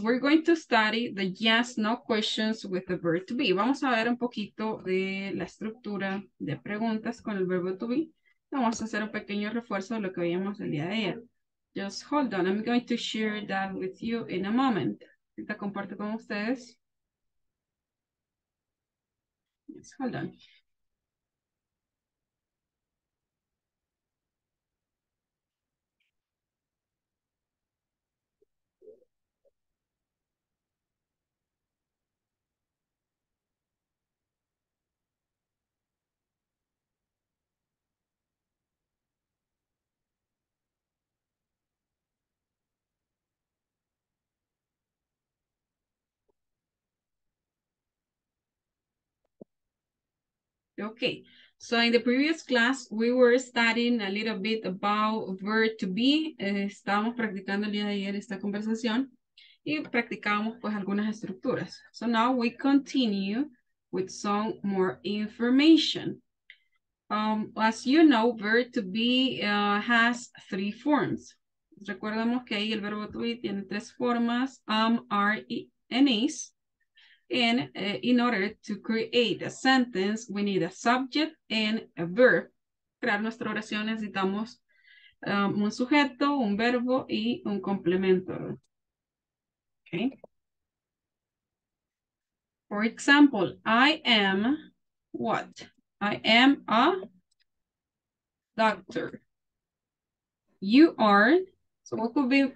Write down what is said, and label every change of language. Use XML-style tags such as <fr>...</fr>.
<en>We're going to study the yes, no questions with the verb to be.</en> <es>Vamos a ver un poquito de la estructura de preguntas con el verbo to be. Vamos a hacer un pequeño refuerzo de lo que veíamos el día de ayer.</es> <en>Just hold on, I'm going to share that with you in a moment.</en> <es>Ahorita comparto con ustedes.</es> <en>Just hold on. Okay, so in the previous class, we were studying a little bit about verb to be.</en> <es>Estábamos practicando el día de ayer esta conversación y practicábamos pues algunas estructuras.</es> <en>So now we continue with some more information. As you know, verb to be has three forms.</en> <es>Recordemos que ahí el verbo to be tiene tres formas, are, and is.</es> <en>And in order to create a sentence, we need a subject and a verb.</en> <es>Crear nuestra oración necesitamos un sujeto, un verbo y un complemento.</es> <en>Okay. For example, I am what? I am a doctor. You are. So what could be?</en>